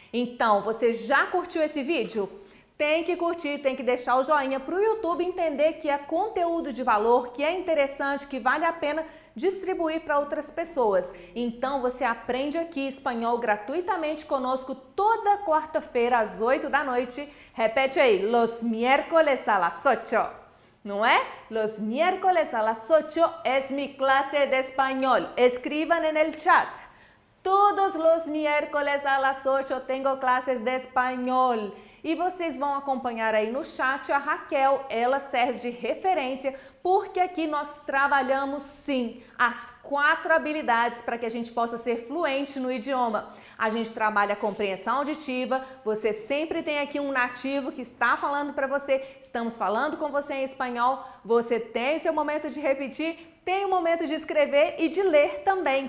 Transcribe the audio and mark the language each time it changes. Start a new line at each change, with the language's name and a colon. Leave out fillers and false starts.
Portuguese: Então, você já curtiu esse vídeo? Tem que curtir, tem que deixar o joinha para o YouTube entender que é conteúdo de valor, que é interessante, que vale a pena distribuir para outras pessoas. Então você aprende aqui espanhol gratuitamente conosco toda quarta-feira às 8 da noite. Repete aí,
Spanish: los miércoles a las 8,
Portuguese: não é?
Spanish: Los miércoles a las 8 es mi clase de español. Escriban en el chat. Todos los miércoles a las 8 tengo clases de español.
Portuguese: E vocês vão acompanhar aí no chat a Raquel, ela serve de referência, porque aqui nós trabalhamos sim as quatro habilidades para que a gente possa ser fluente no idioma. A gente trabalha a compreensão auditiva, você sempre tem aqui um nativo que está falando para você, estamos falando com você em espanhol, você tem seu momento de repetir, tem o momento de escrever e de ler também.